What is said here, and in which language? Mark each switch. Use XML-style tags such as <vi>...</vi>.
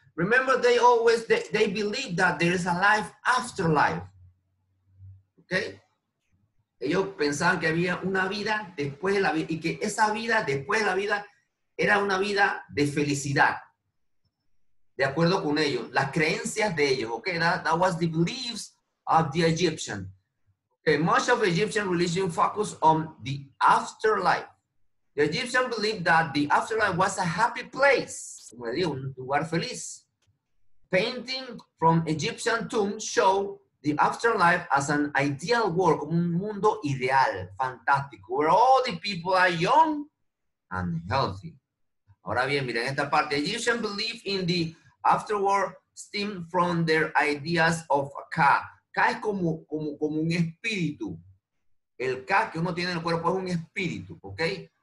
<en>Remember, they believe that there is a life after life. Ok?</en> <es>Ellos pensaban que había una vida después de la vida, y que esa vida después de la vida era una vida de felicidad. De acuerdo con ellos, las creencias de ellos,</es> <en>okay, that was the beliefs of the Egyptian. Okay, much of Egyptian religion focused on the afterlife. The Egyptian believed that the afterlife was a happy place,</en> <es>como digo, un lugar feliz.</es> <en>Painting from Egyptian tombs show the afterlife as an ideal world,</en> <es>como un mundo ideal, fantástico,</es> <en>where all the people are young and healthy.</en> <es>Ahora bien, miren esta parte.</es> <en>Egyptian believe in the afterward stemmed from their ideas of Ka.</en> <es>Ka es como un espíritu. El Ka que uno tiene en el cuerpo es un espíritu, okay?</es>